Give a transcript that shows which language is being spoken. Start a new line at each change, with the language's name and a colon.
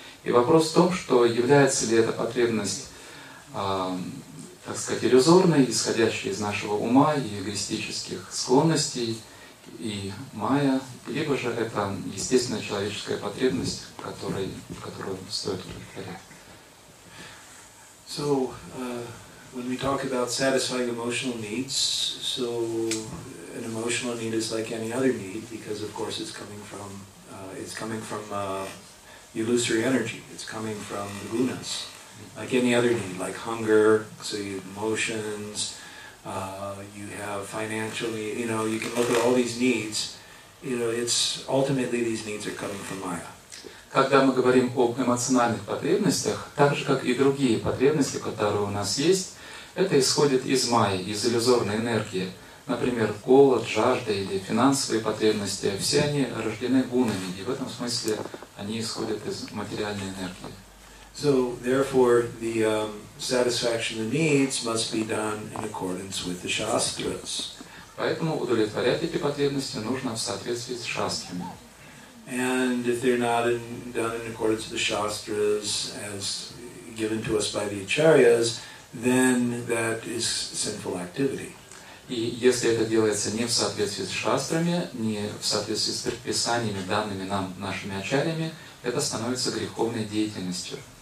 Russian: И вопрос в том, что является ли эта потребность, так сказать, иллюзорной, исходящей из нашего ума и эгоистических склонностей, и майя, либо же это естественная человеческая потребность, которую стоит удовлетворять.
English: So, when we talk about satisfying emotional needs, so an emotional need is like any other need, because of course it's coming from illusory energy. It's coming from the gunas, like any other need, like hunger. So you have emotions. You have financially. You know, you can look at all these needs. You know, it's ultimately these needs are coming from Maya.
Russian: Когда мы говорим об эмоциональных потребностях, так же как и другие потребности, которые у нас есть, это исходит из майи, из иллюзорной энергии. Например, голод, жажда или финансовые потребности, все они рождены гунами, и в этом смысле они исходят из материальной энергии.
English: So, therefore, the satisfaction of needs must be done in accordance with the shastras.
Russian: Поэтому удовлетворять эти потребности нужно в соответствии с шастрами.
English: And if they're not done in accordance with the shastras as given to us by the acharyas, then that is sinful activity.
Russian: И если это делается не в соответствии с шастрами, не в соответствии с предписаниями, данными нам нашими ачарьями, это становится греховной деятельностью.